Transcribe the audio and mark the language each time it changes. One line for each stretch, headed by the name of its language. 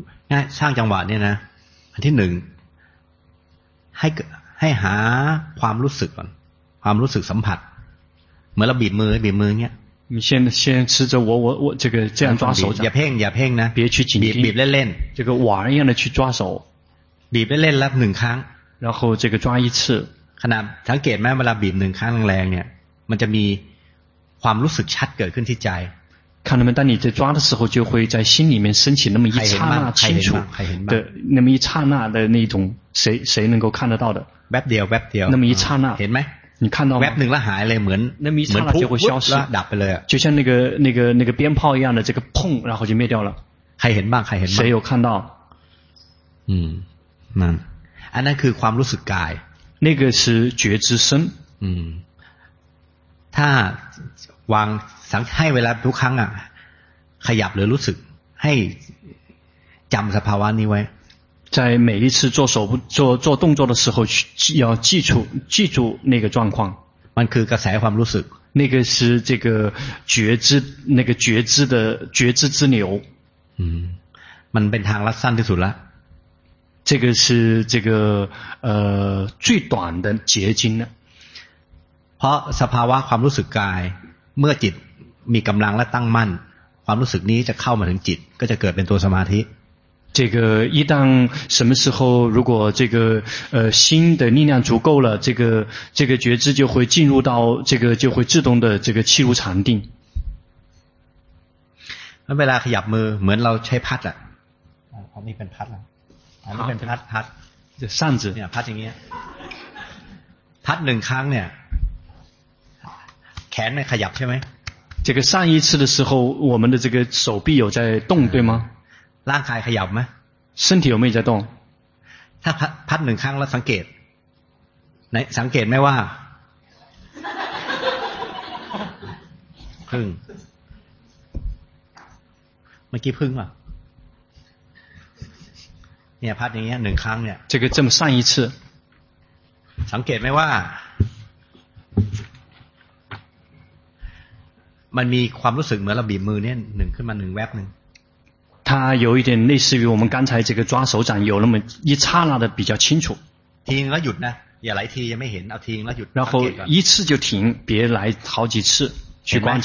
Thai: ง่ายสร้างจังหวะเนี่ยนะอันที่หนึ่งให้หาความรู้สึกก่อนความรู้สึกสัมผัสเหมือนเราบีบมือบีบมือเงี้ย
Chinese: 先吃着我这个这样抓手
Thai: อย่าเพ่งอย่าเพ่งนะ
Chinese: 别去紧盯
Thai: บีบเล่น
Chinese: ๆ这个玩一样的去抓手
Thai: บีบเล่นๆแล้วหนึ่งครั้ง
Chinese: 然后这个抓一次
Thai: ขณะสังเกตไหมเวลาบีบหนึ่งครั้งแรงๆเนี่ยมันจะมีความรู้สึกชัดเกิดขึ้นที่ใจ
Chinese: 看到没？当你在抓的时候，就会在心里面升起那么一刹那清楚的那么一刹那的那种，谁能够看得到的？ แป๊บเดียวแป๊บเดียว 那么一刹那，见没？你看到吗？ แป๊บหนึ่งแล้วหายเลยเหมือน 那么一刹那就会消失，
Thai: ดับไปเลย，
Chinese: 就像那个鞭炮一样的这个砰，然后就灭掉了。
Thai: ใครเห็นบ้างใครเห็นบ้าง？
Chinese: 谁有看到？
Thai: 嗯，นั่น，อันนั้นคือความรู้สึกกาย，
Chinese: 那个是觉知身。
Thai: 嗯，ถ้าวางสังให้เวลาทุกครั้งอ่ะขยับหรือรู้สึกให้จำสภาวะนี้ไว้
Chinese: 在每一次做手部做动作的时候要记住那个状况
Thai: มันคือกระแสความรู้สึก
Chinese: 那个是这个觉知那个觉知的觉知之流
Thai: มันเป็นทางลัดสั้นที่สุดละ
Chinese: 这个是这个最短的捷径
Thai: เพราะสภาวะความรู้สึกกายเมื่อจิตมีกำลังและตั้งมั่นความรู้สึกนี้จะเข้ามาถึงจิตก็จะเกิดเป็นตัวสมาธิ
Chinese: 这个一旦什么时候如果这个心的力量足够了这个觉知就会进入到这个就会自动的这个契入禅定
Thai: เวลาขยับมือเหมือนเราใช้พัดอ่ะผมนี่เป็นพัดแล้วนี่เป็นพัด จะสั้นจีเนี่ยพัดอย่างเงี้ยพัดหนึ่งครั้งเนี่ยแขนไม่ขยับใช่ไหม
Chinese: 这个上一次的时候我们的这个手臂有在动对吗
Thai: ร่างกายขยับไหม
Chinese: 身体有没有在动
Thai: ถ้าพัดหนึ่งครั้งแล้วสังเกตไหนสังเกตไหมว่าพึ่งเมื่อกี้พึ่งอ่ะเนี่ยพัดอย่างเงี้ยหนึ่งครั้งเนี่ย
Chinese: 这个这么上一次
Thai: สังเกตไหมว่ามันมีความรู้สึกเหมือนเราบีบมือเนี่ยหนึ่งขึ้นมาหนึ่งแวบหนึ่ง
Chinese: 它有一点类似于我们刚才这个抓手掌有那么一刹那的比较清楚
Thai: ทีนึงแล้วหยุดนะอย่าหลายทียังไม่เห็นเอาทีนึงแล้วหยุด
Chinese: 然后一次就停别来好几次去观察